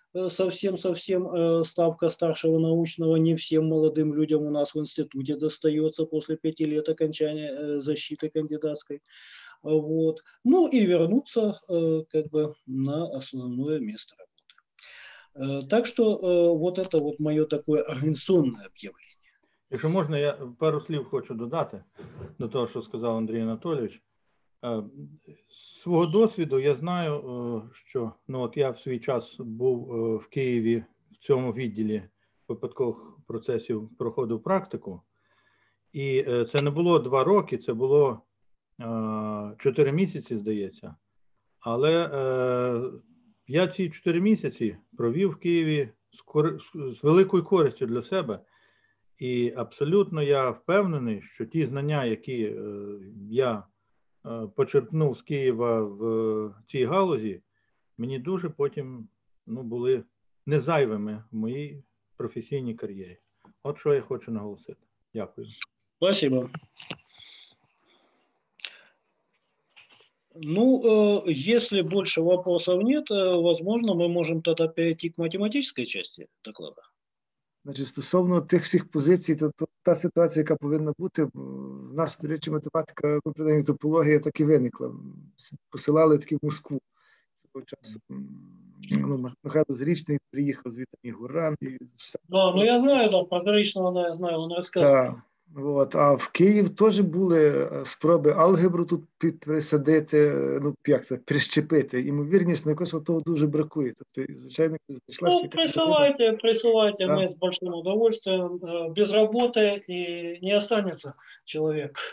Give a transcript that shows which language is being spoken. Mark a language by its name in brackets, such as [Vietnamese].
[Russian] совсем-совсем ставка старшего научного. Не всем молодым людям у нас в институте достается после 5 лет окончания защиты кандидатской. Вот. Ну и вернуться как бы на основное место работы. Так что вот это вот мое такое организационное объявление. [Ukrainian] Якщо можна, я пару слів хочу додати до того, що сказав Андрій Анатолійович. З свого досвіду я знаю, що ну от я в свій час був в Києві в цьому відділі випадкових процесів проходив практику. І це не було 2 роки, це було 4 місяці, здається. Але я ці 4 місяці провів в Києві з великою користю для себе. І абсолютно я впевнений, що ті знання, які я почерпнув з Києва в цій галузі, мені дуже потім ну, були незайвими в моїй професійній кар'єрі. От що я хочу наголосити. Дякую. [Russian] Спасибо. Ну, если больше вопросов нет, возможно, мы можем тогда перейти к математической части доклада. [Ukrainian] Значить, стосовно тих всіх позицій, то та ситуація, яка повинна бути, в нас, до речі, математика, ну, принаймні, топологія так і виникла. Посилали таки в Москву. Цього часу. Ну, Михайло Зрічний приїхав звідти, і Гуран, і все. Ну, я знаю, там, про Зрічного, я знаю, він розказує. Так, от, а в Київ теж були спроби алгебру тут присадити, ну, як це, прищепити. Імовірність, ну, якось того дуже бракує. Тобто, звичайно, зайшлася. Ну, присувайте, ми з [Russian] большим удовольствием. [Ukrainian] Без роботи і не останеться чоловік.